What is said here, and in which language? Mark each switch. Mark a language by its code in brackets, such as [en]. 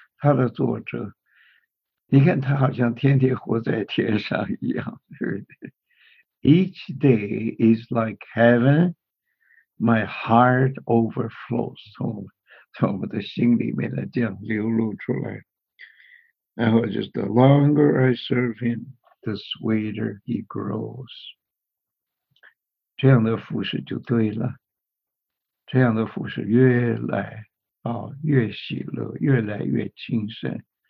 [zh] 他的作者，你看他好像天天活在天上一样。 Each day is like heaven, my heart overflows，从我们的心里面的这样流露出来。 [en] 然后 just the longer I serve him, the sweeter he grows。 [zh] 这样的服侍就对了，这样的服侍越来啊、哦、越喜乐，越来越精神。